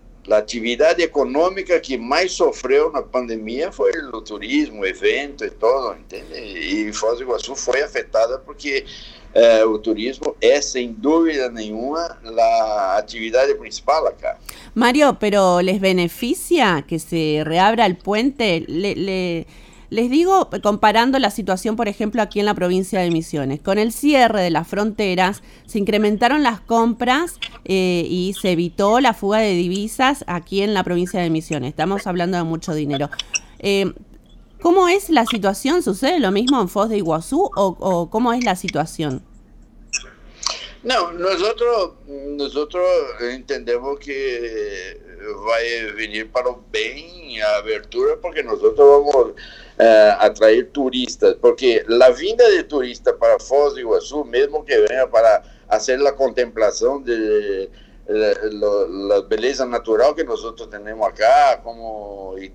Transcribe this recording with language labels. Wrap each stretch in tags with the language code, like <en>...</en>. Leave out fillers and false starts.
<pt>a atividade econômica que mais sofreu na pandemia foi o turismo, evento e tudo, entende? E Foz do Iguaçu foi afetada porque o turismo é, sem dúvida nenhuma, a atividade principal acá.</pt> <es>Mario, pero ¿les beneficia que se reabra el puente? Les digo, comparando la situación, por ejemplo, aquí en la provincia de Misiones, con el cierre de las fronteras, se incrementaron las compras y se evitó la fuga de divisas aquí en la provincia de Misiones. Estamos hablando de mucho dinero. ¿Cómo es la situación? ¿Sucede lo mismo en Foz de Iguazú o cómo es la situación?</es> <pt>No, nosotros entendemos que va a venir para un bien a abertura, porque nosotros vamos atrair turistas, porque a vinda de turista para Foz do Iguaçu, mesmo que venha para fazer a contemplação de la beleza natural que nós temos acá, como</pt>